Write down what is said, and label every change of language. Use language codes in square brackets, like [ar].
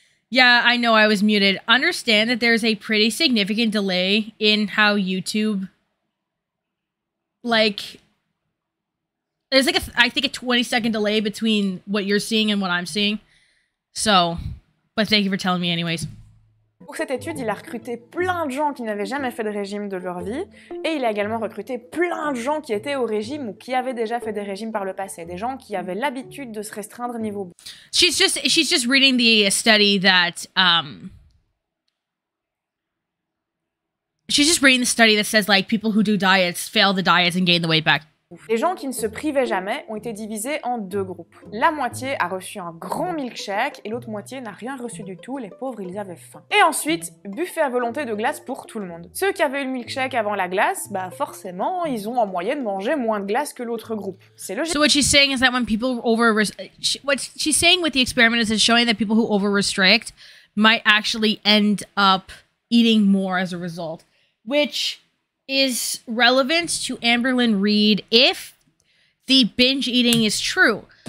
[en] Yeah, I know I was muted. Understand that there's a pretty significant delay in how YouTube, like, there's like I think a 20 second delay between what you're seeing and what I'm seeing. So, but thank you for telling me anyways. [fr] Pour cette étude, il a recruté plein de gens qui n'avaient jamais fait de régime de leur vie, et il a également recruté plein de gens qui étaient au régime ou qui avaient déjà fait des régimes par le passé, des gens qui avaient l'habitude de se restreindre niveau. [en] She's just reading the study that she's just reading the study that says like people who do diets fail the diets and gain the weight back. [fr] Les gens qui ne se privaient jamais ont été divisés en deux groupes. La moitié a reçu un grand milkshake et l'autre moitié n'a rien reçu du tout, les pauvres ils avaient faim. Et ensuite, buffet à volonté de glace pour tout le monde. Ceux qui avaient eu le milkshake avant la glace, bah forcément, ils ont en moyenne mangé moins de glace que l'autre groupe. C'est logique. [en] So what she's saying is that when people over what she's saying with the experiment is it's showing that people who over restrict might actually end up eating more as a result, which is relevant to Amberlynn Reid if the binge eating is true.